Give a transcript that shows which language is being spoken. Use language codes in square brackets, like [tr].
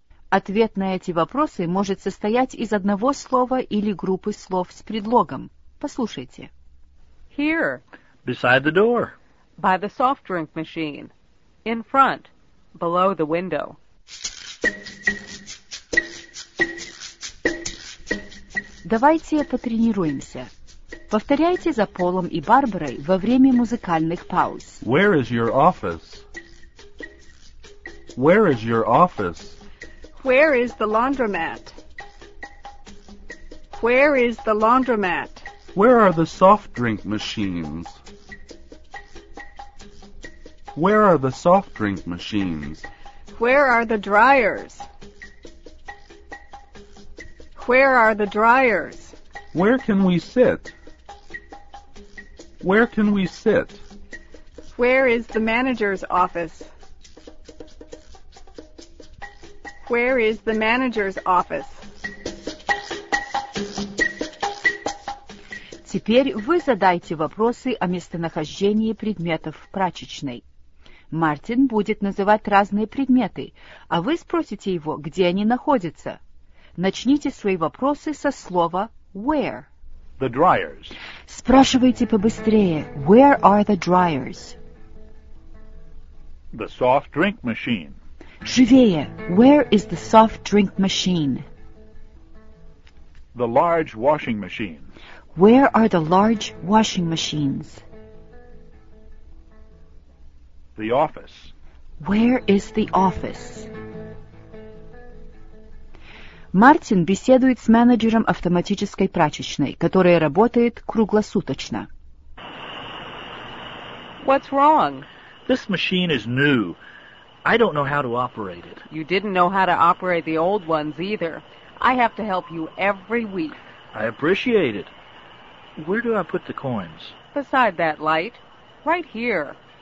[ru] Ответ на эти вопросы может состоять из одного слова или группы слов с предлогом. Послушайте. [en] Here. Beside the door. By the soft drink machine. In front. Below the window. [ru] Давайте потренируемся. Повторяйте за Полом и Барбарой во время музыкальных пауз. [en] Where is your office? Where is your office? Where is the laundromat? Where is the laundromat? Where are the soft drink machines? Where are the soft drink machines? Where are the dryers? Where are the dryers? Where can we sit? Where can we sit? Where is the manager's office? Where is the manager's office? [ru] Теперь вы задайте вопросы о местонахождении предметов в прачечной. Мартин будет называть разные предметы, а вы спросите его, где они находятся. Начните свои вопросы со слова «where». [en] The dryers. [ru] Спрашивайте побыстрее. [en] Where are the dryers? The soft drink machine. [ru] Живее. [en] Where is the soft drink machine? The large washing machine. Where are the large washing machines? The office. Where is the office? [ru] Мартин беседует с менеджером автоматической прачечной, которая работает круглосуточно. [en] What's wrong? This machine is new. I don't know how to operate it. You didn't know how to operate the old ones either. I have to help you every week. I appreciate it. Where do I put the coins? Beside that light. Right here.